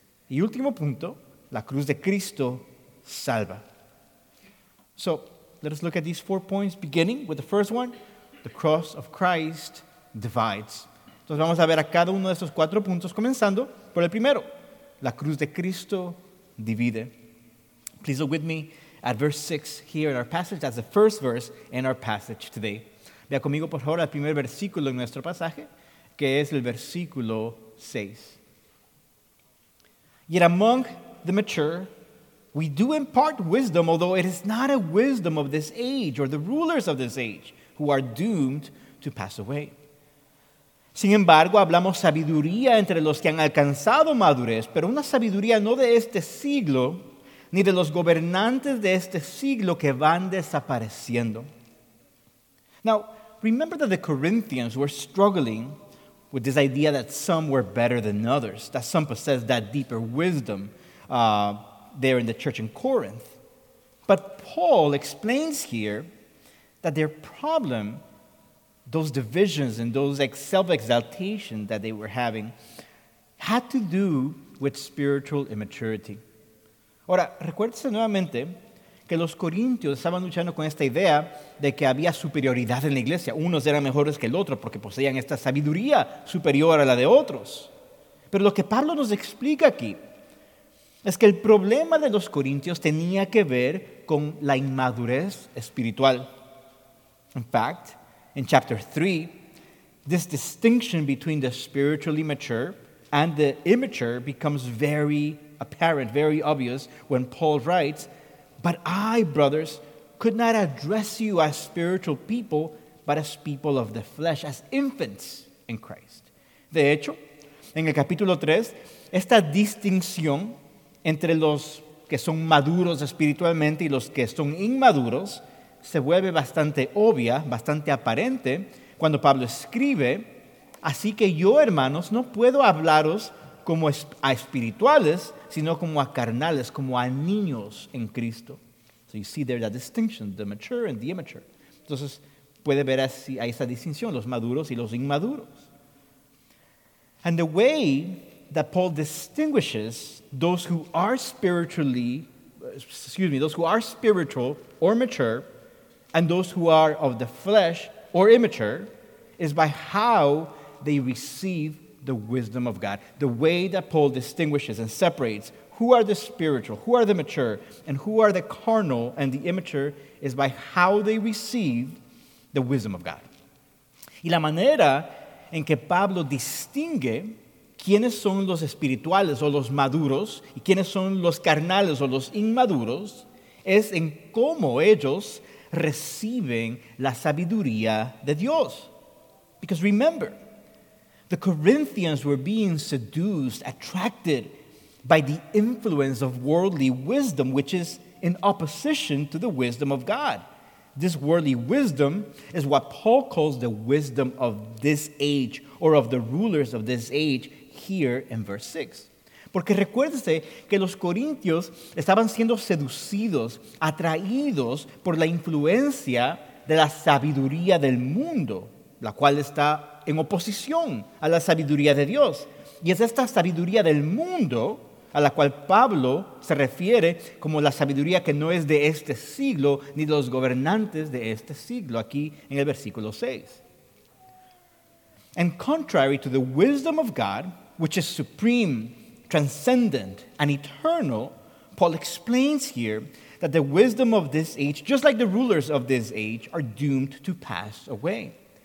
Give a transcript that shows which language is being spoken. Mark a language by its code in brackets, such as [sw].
[es] Y último punto, la cruz de Cristo salva. [en] So, let us look at these four points, beginning with the first one, the cross of Christ divides. [es] Entonces vamos a ver a cada uno de estos cuatro puntos, comenzando por el primero, la cruz de Cristo divide. [en] Please look with me at verse 6 here in our passage. That's the first verse in our passage today. [es] Vea conmigo, por favor, al primer versículo en nuestro pasaje, que es el versículo 6. [en] Yet among the mature, we do impart wisdom, although it is not a wisdom of this age or the rulers of this age who are doomed to pass away. [es] Sin embargo, hablamos sabiduría entre los que han alcanzado madurez, pero una sabiduría no de este siglo, ni de los gobernantes de este siglo que van desapareciendo. [en] Now, remember that the Corinthians were struggling with this idea that some were better than others, that some possessed that deeper wisdom there in the church in Corinth. But Paul explains here that their problem, those divisions and those self-exaltation that they were having, had to do with spiritual immaturity. [es] Ahora, recuérdese nuevamente que los corintios estaban luchando con esta idea de que había superioridad en la iglesia. Unos eran mejores que el otro porque poseían esta sabiduría superior a la de otros. Pero lo que Pablo nos explica aquí es que el problema de los corintios tenía que ver con la inmadurez espiritual. [en] In fact, in chapter 3, this distinction between the spiritually mature and the immature becomes very apparent, very obvious, when Paul writes, "But I, brothers, could not address you as spiritual people, but as people of the flesh, as infants in Christ." [es] De hecho, en el capítulo 3, esta distinción entre los que son maduros espiritualmente y los que son inmaduros se vuelve bastante obvia, bastante aparente, cuando Pablo escribe, así que yo, hermanos, no puedo hablaros como a espirituales, sino como a carnales, como a niños en Cristo. [en] So you see there that distinction, the mature and the immature. [es] Entonces, puede ver así, hay esa distinción, los maduros y los inmaduros. [en] And the way that Paul distinguishes those who are spiritual or mature and those who are of the flesh or immature is by how they receive the wisdom of God. The way that Paul distinguishes and separates who are the spiritual, who are the mature, and who are the carnal and the immature is by how they receive the wisdom of God. [es] Y la manera en que Pablo distingue quiénes son los espirituales o los maduros y quiénes son los carnales o los inmaduros es en cómo ellos reciben la sabiduría de Dios. [en] Because remember, the Corinthians were being seduced, attracted by the influence of worldly wisdom, which is in opposition to the wisdom of God. This worldly wisdom is what Paul calls the wisdom of this age, or of the rulers of this age, here in verse 6. [es] Porque recuérdese que los corintios estaban siendo seducidos, atraídos por la influencia de la sabiduría del mundo, la cual está en oposición a la sabiduría de Dios. Y es esta sabiduría del mundo a la cual Pablo se refiere como la sabiduría que no es de este siglo ni de los gobernantes de este siglo, aquí en el versículo 6. [en] And contrary to the wisdom of God, which is supreme, transcendent, and eternal, Paul explains here that the wisdom of this age, just like the rulers of this age, are doomed to pass away.